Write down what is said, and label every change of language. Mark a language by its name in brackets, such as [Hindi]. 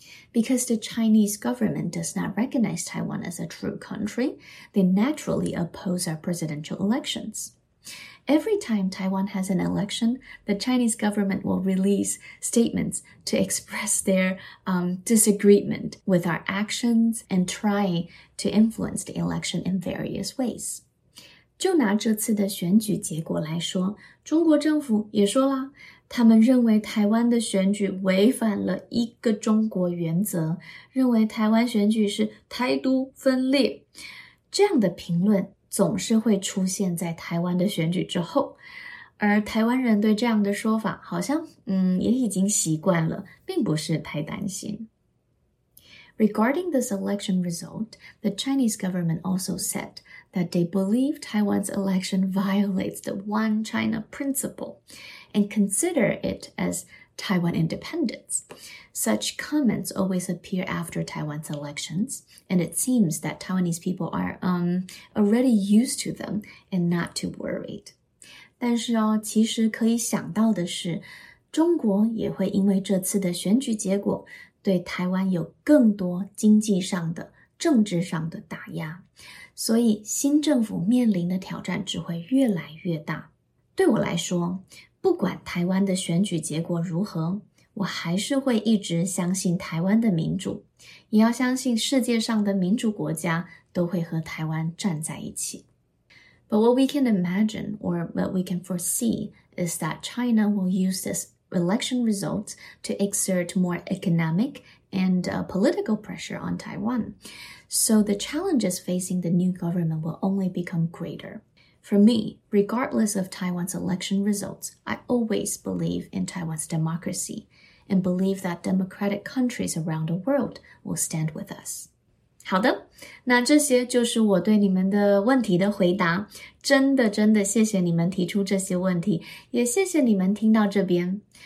[English] Because the Chinese government does not recognize Taiwan as a true country, they naturally oppose our presidential elections. Every time Taiwan has an election, the Chinese government will release statements to express their disagreement with our actions and try to influence the election in various ways. [Chinese] 就拿这次的选举结果来说，中国政府也说啦，他们认为台湾的选举违反了一个中国原则，认为台湾选举是台独分裂。这样的评论总是会出现在台湾的选举之后，而台湾人对这样的说法好像也已经习惯了，并不是太担心。 [English] Regarding this election result, the Chinese government also said that they believe Taiwan's election violates the One China principle and consider it as Taiwan independence. Such comments always appear after Taiwan's elections, and it seems that Taiwanese people are already used to them and not too worried. [Chinese] 但是哦，其实可以想到的是，中国也会因为这次的选举结果对台湾有更多经济上的、政治上的打压，所以新政府面临的挑战只会越来越大。对我来说，不管台湾的选举结果如何，我还是会一直相信台湾的民主，也要相信世界上的民主国家都会和台湾站在一起。 [English] But what we can imagine or what we can foresee is that China will use this election results to exert more economic and political pressure on Taiwan. So the challenges facing the new government will only become greater. For me, regardless of Taiwan's election results, I always believe in Taiwan's democracy and believe that democratic countries around the world will stand with us. [Chinese] 好的，那这些就是我对你们的问题的回答。真的真的谢谢你们提出这些问题，也谢谢你们听到这边。